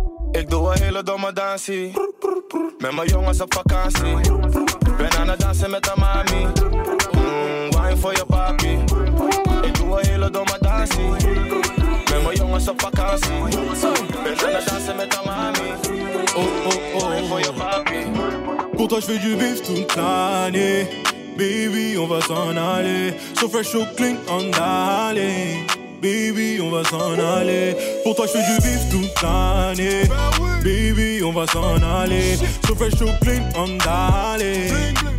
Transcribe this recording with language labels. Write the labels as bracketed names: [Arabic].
[Dutch] Ik doe een hele domme dansie. Met mijn jongens op vakantie. Ben aan het dansen met de mami. Wine voor je papi. Ik doe een hele domme dansie. Met mijn jongens op vakantie. Ben aan het dansen met de mami. Oh, oh, oh. Wine voor je papi. [French] Pour toi, je fais du beef toute l'année. Baby, on va s'en aller. [English] So fresh, so clean, on darling. [French] Baby, on va s'en aller. Pour toi, je fais du beef toute l'année. Baby, on va s'en aller. [English] So fresh, so clean, on darling.